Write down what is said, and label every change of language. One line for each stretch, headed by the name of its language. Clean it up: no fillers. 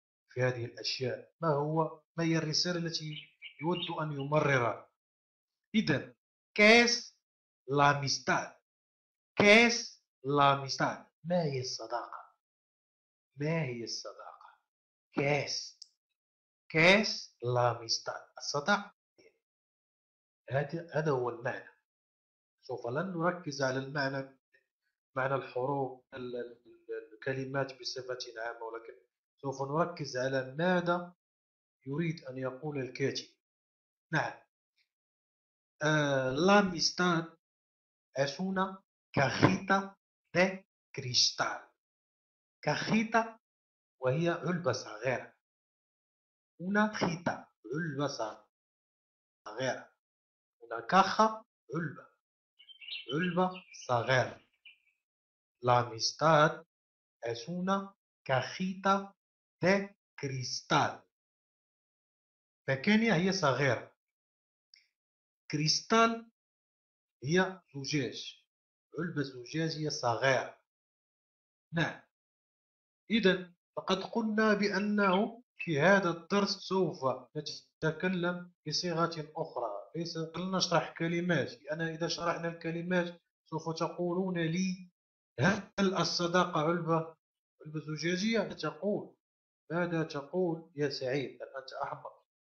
Arabic: في هذه الأشياء؟ ما هي الرسالة التي يود أن يمررها؟ إذن كاس لاميستاد، كاس لاميستاد، ما هي الصداقة؟ ما هي الصداقة؟ كاس، كاس لاميستاد، الصداقة، هذا هو المعنى. سوف لن نركز على المعنى، معنى الحروف، الكلمات بصفة عامة، ولكن سوف نركز على ماذا يريد أن يقول الكاتب.
Spanish: نعم، لاميستاد es una cajita de cristal.
Arabic: cajita وهي علبة صغيرة.
Spanish: una cajita
Arabic: علبة صغيرة.
Spanish: una caja علبة.
Arabic: علبة صغيرة.
Spanish: لاميستاد es una cajita de cristal.
Arabic: pequeña هي صغيرة. كريستال هي زجاج، علبة زجاجية صغيرة. نعم، إذا فقد قلنا بأنه في هذا الدرس سوف نتكلم بصيغة أخرى، ليس لن نشرح كلمات، لأن إذا شرحنا الكلمات سوف تقولون لي هل الصداقة علبة زجاجية؟ تقول ماذا تقول يا سعيد؟ هل أنت أحمق